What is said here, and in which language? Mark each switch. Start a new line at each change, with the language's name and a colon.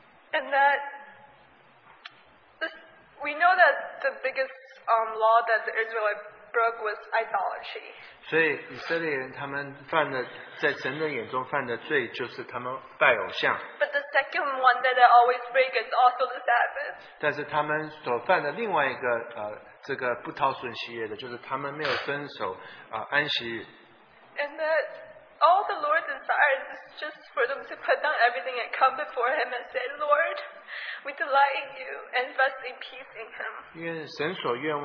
English: And that we know that the biggest law that the Israelites broke was idolatry.
Chinese: 所以以色列人他们犯的，在神的眼中犯的罪就是他们拜偶像。
English: But the second one that they always break is also the Sabbath.
Chinese: 但是他们所犯的另外一个这个不讨神喜悦的，就是他们没有遵守安息日。
English: And that all the Lord desires is just for them to put down everything and come before Him and say, Lord, we delight in You and rest in peace in Him.